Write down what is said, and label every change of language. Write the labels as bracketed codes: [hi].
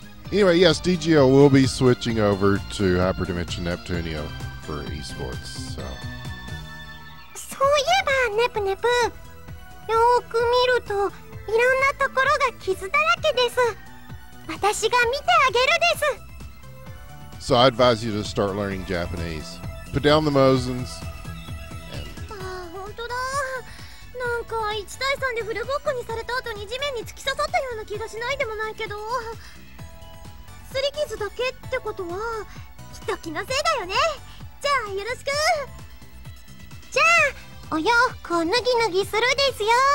[en] Anyway, yes, DGL will be switching over to Hyperdimension Neptunia for esports. So. [ja] そういえば、ネプネプ。よく見ると、いろんなところが傷だらけです。私が見てあげるです。 [en] So I advise you to start learning Japanese. Put down the Mosins. [ja] ほんとだ。なんか1対3でフルボッコにされた後に地面に突き刺さったような気がしないでもないけど。擦り傷だけってことは、きっと気のせいだよね。じゃあよろしく。じゃあ、お洋服を脱ぎ脱ぎするですよ。